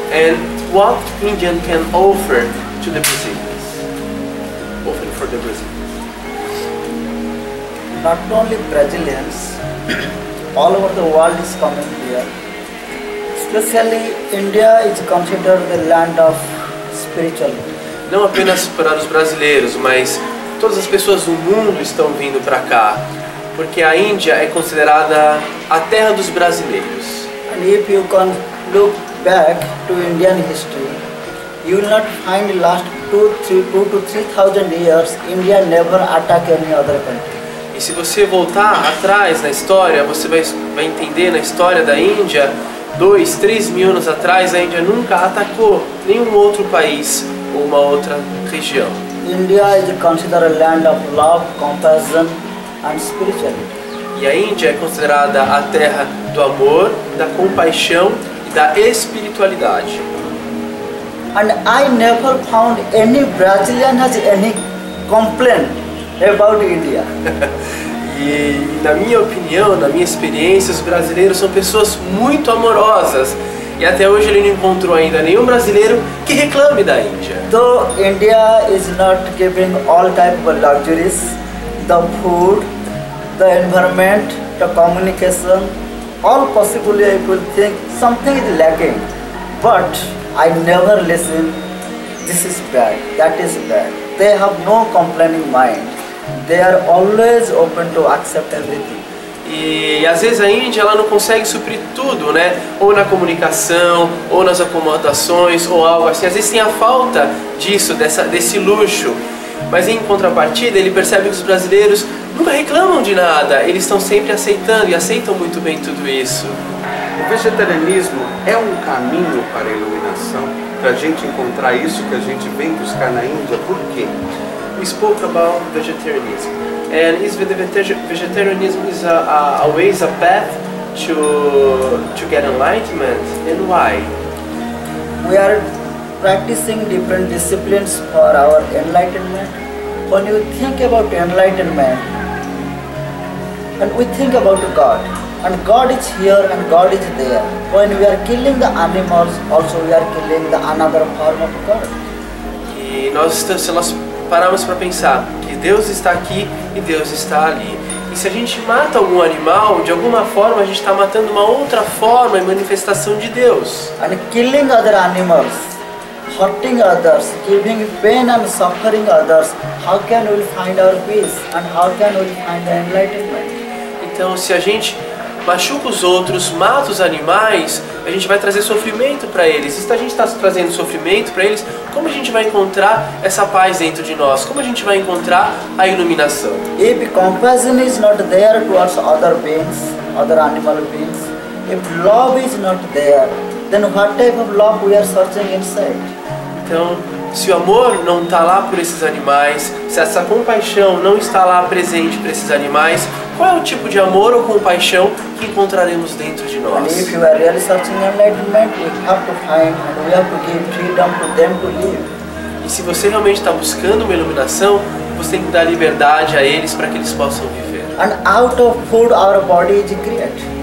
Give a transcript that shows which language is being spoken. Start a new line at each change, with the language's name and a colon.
English: And what Indian can offer to the Brazilians? Offer for the Brazilians. Not only Brazilians, all over the world is coming here. Especially India is considered the land of spirituality.
Portuguese: Não apenas para os brasileiros, mas todas as pessoas do mundo estão vindo para cá, porque a Índia é considerada a terra dos brasileiros.
English: And if you can look back to Indian history, you will not find last 2 to 3 thousand years India never attacked any other country.
Portuguese: E se você voltar atrás na história, você vai entender na história da Índia, 2, 3 mil anos atrás, a Índia nunca atacou nenhum outro país ou uma outra região.
English: India is considered a land of love, compassion and spirituality.
Portuguese: E a Índia é considerada a terra do amor, da compaixão e da espiritualidade.
English: And I never found any Brazilian has any complaint about India.
Portuguese: E na minha opinião, na minha experiência, os brasileiros são pessoas muito amorosas. E até hoje ele não encontrou ainda nenhum brasileiro que reclame da Índia.
English: Though India is not giving all type of luxuries, the food, the environment, the communication, all possibly I could think something is lacking. But I never listen, this is bad, that is bad. They have no complaining mind. They are always open to accept everything.
Portuguese: E às vezes a Índia ela não consegue suprir tudo, né? Ou na comunicação, ou nas acomodações, ou algo assim. Às vezes tem a falta disso, desse luxo. Mas em contrapartida, ele percebe que os brasileiros nunca reclamam de nada. Eles estão sempre aceitando e aceitam muito bem tudo isso. O vegetarianismo é um caminho para a iluminação? Para a gente encontrar isso que a gente vem buscar na Índia? Por quê?
English: We spoke about vegetarianism, and is vegetarianism is always a path to get enlightenment, and why? We are practicing different disciplines for our enlightenment. When you think about enlightenment, and we think about God. And God is here and God is there. When we are killing the animals, also we are killing the another form of God.
Portuguese: E nós estamos, se nós pararmos para pensar que Deus está aqui e Deus está ali. E se a gente mata algum animal, de alguma forma a gente está matando uma outra forma e manifestação de Deus.
English: And killing other animals, hurting others, giving pain and suffering others, how can we find our peace and how can we find the enlightenment?
Portuguese: Então, se a gente machuca os outros, mata os animais, a gente vai trazer sofrimento para eles. E se a gente está trazendo sofrimento para eles, como a gente vai encontrar essa paz dentro de nós? Como a gente vai encontrar a iluminação?
English: If compassion is not there towards other beings, other animal beings, if love is not there, then what type of love we are searching inside?
Portuguese: Então, se o amor não está lá por esses animais, se essa compaixão não está lá presente para esses animais, qual é o tipo de amor ou compaixão que encontraremos dentro de nós?
English: And if you are really searching enlightenment, we have to find and we have to give freedom to them to live.
Portuguese: E se você realmente está buscando uma iluminação, você tem que dar liberdade a eles para que eles possam viver.
English: And out of food, our body is created.